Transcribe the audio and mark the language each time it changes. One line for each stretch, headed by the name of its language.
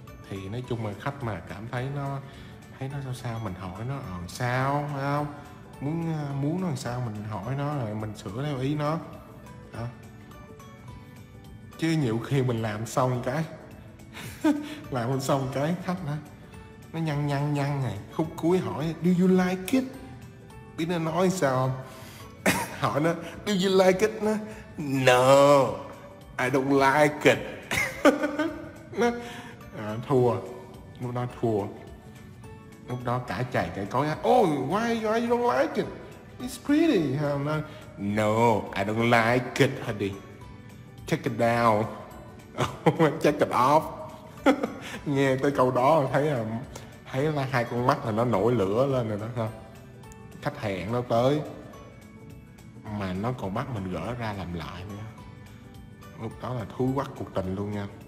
Vietnamese: Thì nói chung là khách mà cảm thấy nó sao sao, mình hỏi nó sao không muốn nó làm sao, mình hỏi nó rồi mình sửa theo ý nó à. Chứ nhiều khi mình làm xong cái làm xong cái khách nó nhăn này, khúc cuối hỏi
English: do you like it,
Vietnamese: biết nó nói sao không? Hỏi nó
English: do you like it,
Vietnamese: nó
English: no I don't like it.
Vietnamese: Nó thua lúc đó cả chạy cả cối,
English: oh why you don't like it, it's pretty, nó no I don't like it, honey check it down. Check it off.
Vietnamese: Nghe tới câu đó thấy là hai con mắt là nó nổi lửa lên rồi đó ha. Khách hẹn nó tới mà nó còn bắt mình gỡ ra làm lại nữa, lúc đó là thúi quắc cuộc tình luôn nha.